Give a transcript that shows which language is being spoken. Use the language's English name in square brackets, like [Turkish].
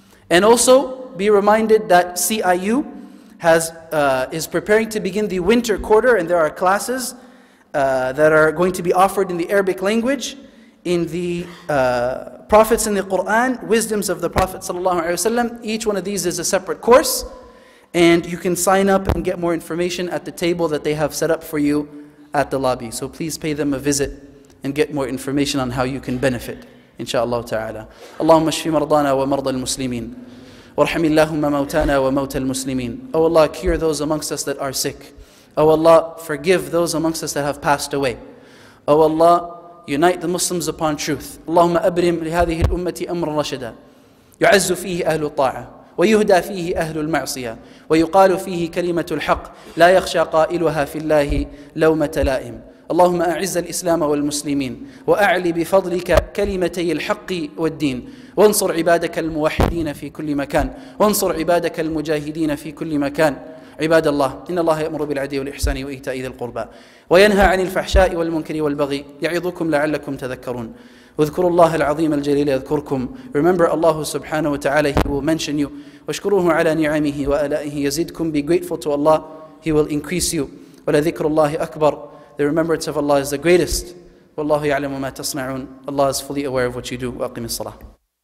[English] And also, be reminded that CIU is preparing to begin the winter quarter, and there are classes that are going to be offered in the Arabic language, in the Prophets in the Quran, Wisdoms of the Prophet sallallahu alaihi wasallam. Each one of these is a separate course, and you can sign up and get more information at the table that they have set up for you at the lobby. So please pay them a visit and get more information on how you can benefit. [Arabic] إن شاء الله تعالى اللهم اشف مرضانا ومرضى المسلمين وارحم اللهم موتانا وموتى المسلمين. [English] Oh Allah, cure those amongst us that are sick. Oh Allah, forgive those amongst us that have passed away. Oh Allah, unite the Muslims upon truth. [Arabic] اللهم أبرم لهذه الأمة أمر رشدا يعز فيه أهل الطاعة ويهدى فيه أهل المعصية ويقال فيه كلمة الحق لا يخشى قائلها في الله لومة لائم. اللهم أعز الإسلام والمسلمين وأعلي بفضلك كلمتي الحق والدين وانصر عبادك الموحدين في كل مكان وانصر عبادك المجاهدين في كل مكان. عباد الله, إن الله يأمر بالعدل والإحسان وإيتاء ذي القربى وينهى عن الفحشاء والمنكر والبغي يعظكم لعلكم تذكرون. اذكروا الله العظيم الجليل يذكركم. [English] Remember Allah subhanahu wa ta'ala, He will mention you. [Arabic] واشكروه على نعمه وآلائه يزدكم. [English] Be grateful to Allah, He will increase you. [Arabic] ولذكر الله أكبر. [English] The remembrance of Allah is the greatest. [Arabic] Wallahu ya'lamu ma tasma'un. [English] Allah is fully aware of what you do. [Arabic] Wa aqim as-salah.